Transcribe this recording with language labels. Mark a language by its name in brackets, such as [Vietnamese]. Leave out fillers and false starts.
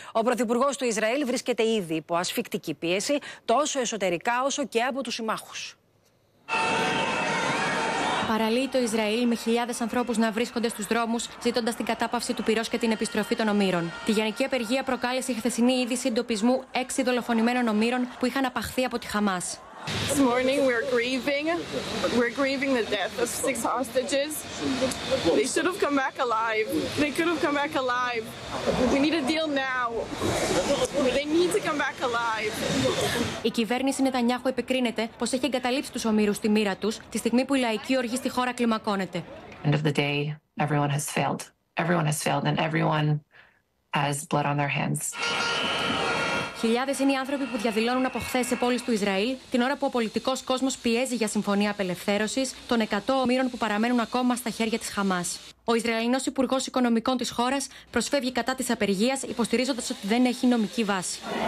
[Greek] Ο πρωθυπουργός του Ισραήλ βρίσκεται ήδη υπό ασφικτική πίεση τόσο εσωτερικά όσο και από τους συμμάχους. Παραλύει το Ισραήλ με χιλιάδες ανθρώπους να βρίσκονται στους δρόμους, ζητώντας την κατάπαυση του πυρός και την επιστροφή των ομήρων. Τη γενική απεργία προκάλεσε η χθεσινή είδηση εντοπισμού 6 δολοφονημένων ομήρων που είχαν απαχθεί από τη Χαμάς. [English] This morning we're grieving the death of 6 hostages. They should have come back alive. They could have come back alive. We need a deal now. They need to come back alive. [Greek] Η κυβέρνηση Νετανιάχου επικρίνεται πως έχει εγκαταλείψει τους ομήρους στη μοίρα τους τη στιγμή που η λαϊκή οργή στη χώρα κλιμακώνεται. [English] End of the day, everyone has failed. Everyone has failed and everyone has blood on their hands. [Greek] Χιλιάδες είναι οι άνθρωποι που διαδηλώνουν από χθες σε πόλεις του Ισραήλ, την ώρα που ο πολιτικός κόσμος πιέζει για συμφωνία απελευθέρωσης των 100 ομήρων που παραμένουν ακόμα στα χέρια της Χαμάς. Ο Ισραηλινός Υπουργός Οικονομικών της χώρας προσφεύγει κατά της απεργίας, υποστηρίζοντας ότι δεν έχει νομική βάση.